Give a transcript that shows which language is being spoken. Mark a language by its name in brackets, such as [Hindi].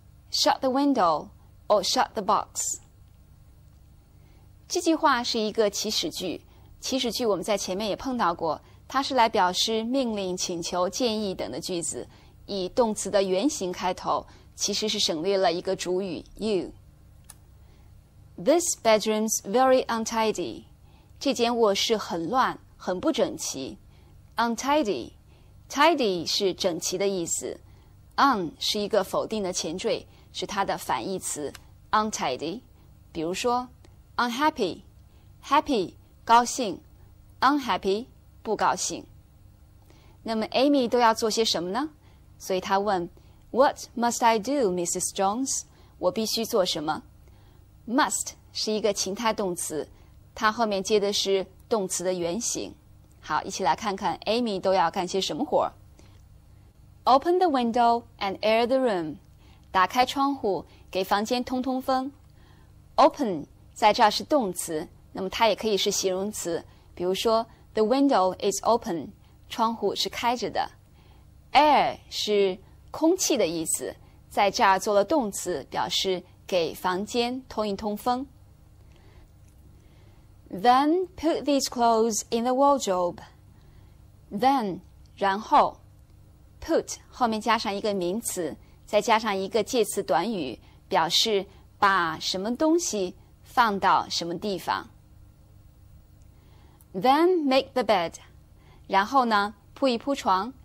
[English] shut the window or shut the box. [Chinese] 这句话是一个祈使句,祈使句我们在前面也碰到过,它是来表示命令、请求、建议等的句子。以动词的原形开头，其实是省略了一个主语 you. [English] This bedroom's very untidy. [Chinese] 这间卧室很乱，很不整齐。Untidy, tidy 是整齐的意思。 Un 是一个否定的前缀，是它的反义词 untidy. 比如说 unhappy, happy 高兴 ，unhappy 不高兴。那么 Amy 都要做些什么呢？所以他问 [English] What must I do, Mrs. Jones? [Chinese] 我必须做什么 ?Must 是一个情态动词，它后面接的是动词的原形。好，一起来看看 Amy 都要干些什么活。 [English] Open the window and air the room. [Chinese] 打开窗户，给房间通通风。Open 在这儿是动词，那么它也可以是形容词。比如说 [English] The window is open. [Chinese] 窗户是开着的。 Air 是空气的意思，在这儿做了动词，表示给房间通一通风。 [English] Then put these clothes in the wardrobe. [Chinese] Then 然后 ，put 后面加上一个名词，再加上一个介词短语，表示把什么东西放到什么地方。 [English] Then make the bed. [Chinese] 然后呢，铺一铺床。